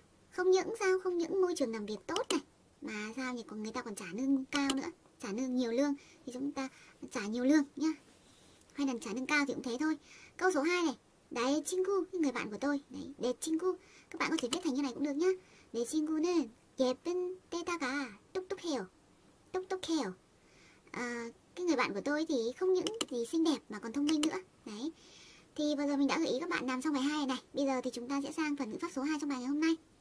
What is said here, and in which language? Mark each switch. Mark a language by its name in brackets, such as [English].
[Vietnamese] Không những môi trường làm việc tốt này mà sao nhỉ? Còn người ta còn trả lương cao nữa, trả lương nhiều lương thì chúng ta trả nhiều lương nhá. Hay là trả lương cao thì cũng thế thôi. Câu số 2 này. Đấy, 친구, người bạn của tôi. Đấy, [Korean] 내 친구. [Vietnamese] Các bạn có thể viết thành như này cũng được nhá. [Korean] 내 친구는 예쁜 데다가 똑똑해요. 똑똑해요. [Vietnamese] Cái người bạn của tôi thì không những gì xinh đẹp mà còn thông minh nữa. Đấy. Thì bây giờ mình đã gợi ý các bạn làm xong bài 2 này. Bây giờ thì chúng ta sẽ sang phần ngữ pháp số 2 trong bài ngày hôm nay.